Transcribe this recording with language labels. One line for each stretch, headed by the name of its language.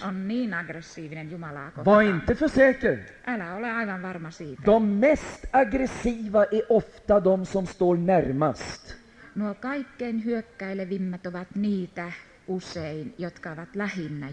Finnish: Hän on niin aggressiivinen Jumalaa kohtaan.
Swedish: Var inte för säker.
Finnish: Älä ole aivan varma siitä.
Swedish: De mest aggressiva är ofta de som står närmast.
Finnish: Nuo kaikkein hyökkäilevimmät ovat niitä usein, jotka ovat lähinnä